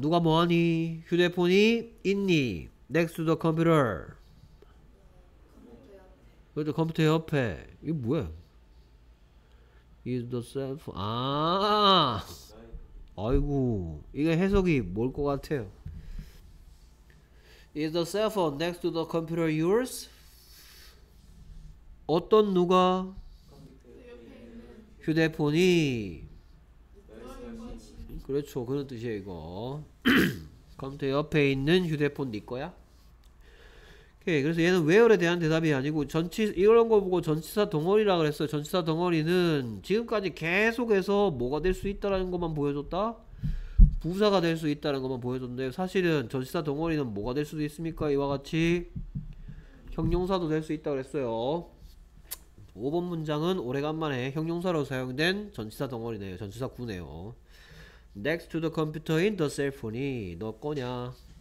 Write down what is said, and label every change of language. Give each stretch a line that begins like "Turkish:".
Korean: 누가 뭐하니? 휴대폰이 있니?
English: Next to the computer.
Korean: 그렇죠. 컴퓨터 옆에. 이게 뭐야?
English: Is the cell phone?
Korean: 아, 아이고. 이게 해석이 뭘 것 같아요?
English: Is the cell phone next to the computer yours?
Korean: 어떤 누가? 휴대폰이. 그렇죠. 그런 뜻이에요, 이거. 컴퓨터 옆에 있는 휴대폰 네 거야? 오케이. 그래서 얘는 where에 대한 대답이 아니고 전치 이런 거 보고 전치사 덩어리라고 그랬어요. 전치사 덩어리는 지금까지 계속해서 뭐가 될 수 있다라는 것만 보여줬다. 부사가 될 수 있다는 것만 보여줬는데 사실은 전치사 덩어리는 뭐가 될 수도 있습니까? 이와 같이 형용사도 될 수 있다 그랬어요. 5번 문장은 오래간만에 형용사로 사용된 전치사 덩어리네요. 전치사 구네요.
English: Next to the computer in the cell phone이
Korean: 너 거냐?